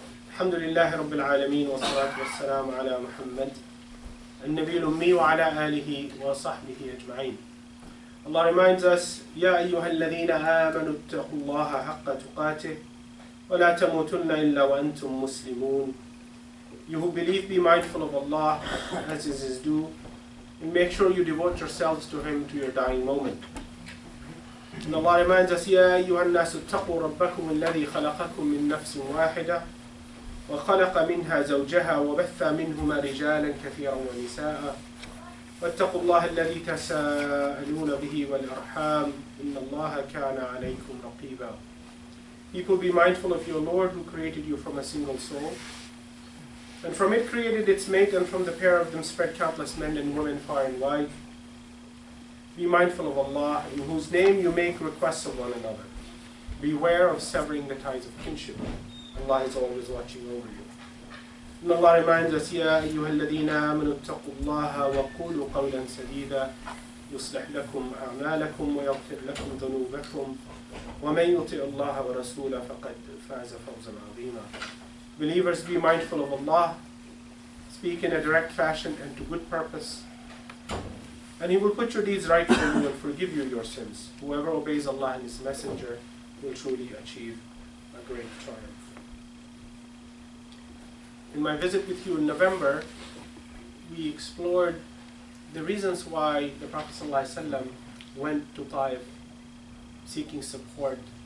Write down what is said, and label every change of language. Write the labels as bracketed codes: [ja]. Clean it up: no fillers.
[ar] الحمد لله رب العالمين والصلاة والسلام على محمد النبي الأمي وعلى آله وصحبه أجمعين. [en] Allah reminds us, [ar] يا أيها الذين آمنوا اتقوا الله حق تقاته ولا تموتن إلا وأنتم مسلمون. [en] You who believe, be mindful of Allah as is His due, and make sure you devote yourselves to Him to your dying moment. And Allah reminds us, [ar] يا أيها الناس اتقوا ربكم الذي خلقكم من نفس واحدة وخلق منها زوجها وبث منهما رجالا كثيرا ونساء واتقوا الله الذي تساءلون به والأرحام إن الله كان عليكم رقيبا. [en] People, be mindful of your Lord who created you from a single soul, and from it created its mate, and from the pair of them spread countless men and women far and wide. Be mindful of Allah, in whose name you make requests of one another. Beware of severing the ties of kinship. Allah is always watching over you. And Allah reminds us, [ar] يَا أَيُّهَا الَّذِينَ آمَنُوا اتَّقُوا اللَّهَ وَقُولُوا قَوْلًا سَدِيدًا يُصْلِحْ لَكُمْ أَعْمَالَكُمْ وَيَغْفِرْ لَكُمْ ذُنُوبَكُمْ وَمَنْ يُطِعِ اللَّهَ وَرَسُولَهُ فَقَدْ فَازَ فَوْزًا عَظِيمًا. [en] Believers, be mindful of Allah. Speak in a direct fashion and to good purpose. And He will put your deeds right for you and forgive you your sins. Whoever obeys Allah and His Messenger will truly achieve a great triumph. In my visit with you in November, we explored the reasons why the Prophet ﷺ went to Taif seeking support.